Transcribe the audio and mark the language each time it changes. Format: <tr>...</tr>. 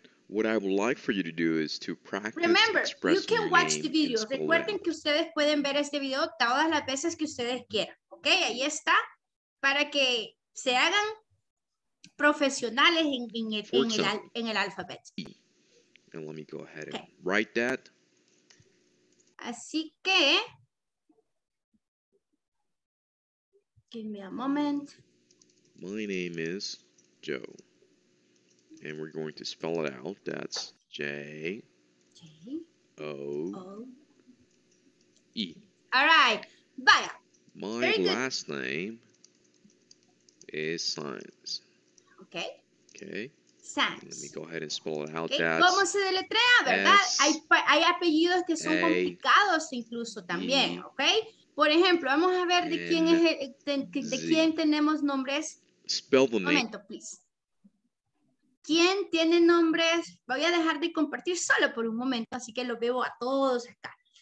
<en>What I would like for you to do is to practice. Remember, you can watch the video.</en> <es>Recuerden que ustedes pueden ver este video todas las veces que ustedes quieran. Ok, ahí está. Para que se hagan profesionales en el alfabeto.</es> <en>And let me go ahead and write that.</en> <es>Así que.</es> <en>Give me a moment. My name is Joe. And we're going to spell it out. That's J-O-E. All right. Vaya. My Very last good. Name is science. Okay. Okay. Science. Let me go ahead and spell it out. Okay.</en> <es>¿Cómo se deletrea, verdad? Hay apellidos que son complicados incluso también, okay? Por ejemplo, vamos a ver de quién es de quién tenemos nombres.</es> <en>Spell the name.</en> <es>Momento,</es> <en>please.</en> <es>¿Quién tiene nombres? Voy a dejar de compartir solo por un momento, así que lo veo a todos acá.</es>